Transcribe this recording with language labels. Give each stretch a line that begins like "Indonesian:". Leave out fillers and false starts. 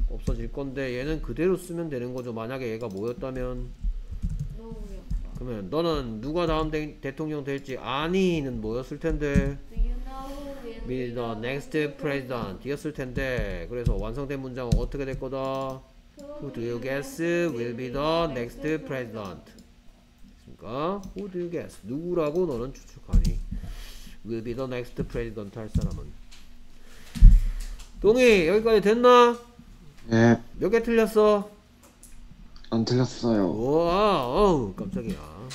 Korean: 없어질 건데 얘는 그대로 쓰면 되는 거죠. 만약에 얘가 뭐였다면 그러면 너는 누가 다음 대통령 될지 아니는 뭐였을 텐데?
English: Be the next president
Korean: 이었을 텐데 그래서 완성된 문장은 어떻게 될 거다?
English: Who do you guess will be the next president?
Korean: 그러니까
English: Who do you guess?
Korean: 누구라고 너는 추측하니?
English: Will be the next president
Korean: 할 사람은? 동희 여기까지 됐나? 네. 몇 개 틀렸어? 안 틀렸어요. 우와 어우 깜짝이야.